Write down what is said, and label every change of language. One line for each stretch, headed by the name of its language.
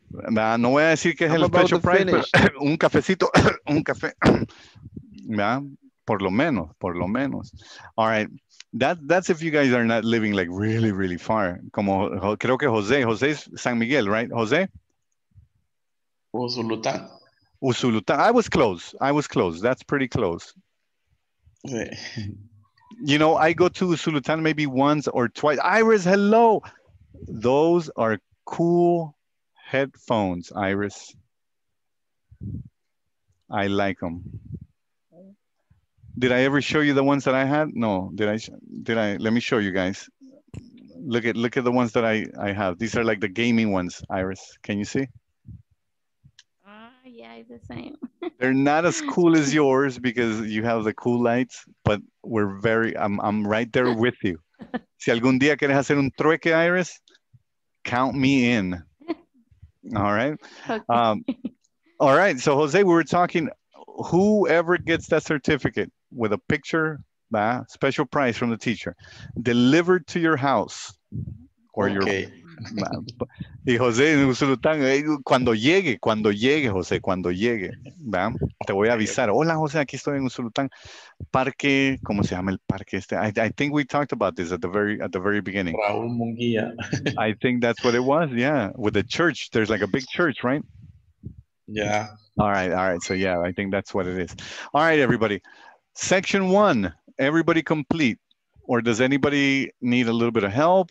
Spanish: Nah, no voy a decir que es el
English: special prize,
Spanish: pero un cafecito, un café. Nah, por lo menos, por lo menos.
English: All right. That's if you guys are not living like really, really far.
Spanish: Como creo que Jose. Jose
English: is San Miguel, right?
Spanish: Jose? Usulután.
English: Usulután. I was close. I was close. That's pretty close. You know, I go to Usulután maybe once or twice. Iris, hello. Those are cool headphones, Iris. I like them. Did I ever show you the ones that I had? No, did I? Let me show you guys. Look at the ones that I have. These are like the gaming ones, Iris. Can you see? Yeah, it's the same. They're not as cool as yours because you have the cool lights, but I'm right there with you.
Spanish: Si algún día quieres hacer un trueque, Iris,
English: count me in. All right. Okay. All right. So Jose, we were talking, whoever gets that certificate with a picture, special prize from the teacher, delivered to your house or okay.
Spanish: Y Jose, cuando llegue, Jose, cuando llegue, ¿va? Te voy a avisar. Hola, Jose, aquí estoy en Usulután. Parque, ¿cómo se llama el parque este?
English: I think we talked about this at the very beginning. Raúl Munguía. I think that's what it was, yeah. With the church, there's like a big church, right? Yeah. All right, so yeah, I think that's what it is. All right, everybody. Section one, everybody complete. Or does anybody need a little bit of help?